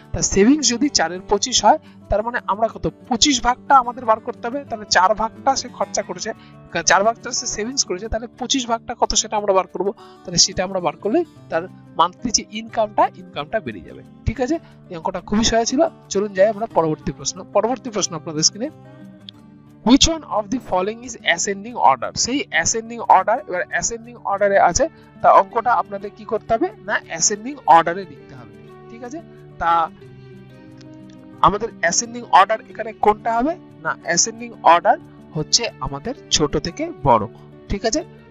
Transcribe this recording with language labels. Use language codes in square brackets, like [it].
[bn] তা সেভিংস যদি 4/25 হয় তার মানে আমরা কত 25 ভাগটা আমাদের বার করতে হবে, তাহলে 4 ভাগটা সে খরচা করেছে, 4 ভাগটা সে সেভিংস করেছে, তাহলে 25 ভাগটা কত সেটা আমরা বার করবো, তাহলে সেটা আমরা বার করলে তার মান্থলি যে ইনকামটা বেড়ে যাবে, ঠিক আছে। অঙ্কটা খুবই সহজ ছিল, চলুন যাই আমরা পরবর্তী প্রশ্ন আপনাদের স্ক্রিনে। [en] Which one of the following is ascending order? [bn] সেই ascending order, এবার ascending order এ আছে, তা অঙ্কটা আপনাদের কি করতে হবে, না ascending order এ লিখতে হবে, ঠিক আছে। তা আমাদের ascending order এখানে কোনটা হবে, না ascending order হচ্ছে আমাদের ছোট থেকে বড়, ঠিক আছে।